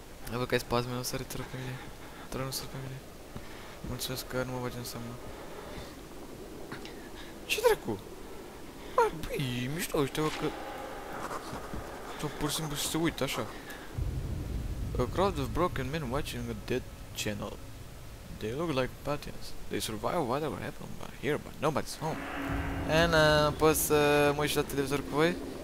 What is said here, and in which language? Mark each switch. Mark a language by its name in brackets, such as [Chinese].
[Romanian] Ai văd că ai spazme, nu sări, te rog pe mine. Te rog, nu sări pe mine. Mulțumesc că nu mă bagi în seamă. Ce dracu? Băi, mișto ăștia, văd că... Sau pur și simplu să se uită așa. [English] A crowd of broken men watching a dead channel. They look like patients. They survive whatever happened but here, but nobody's home. [Romanian] And poți să mă uiți la televizor cu voi?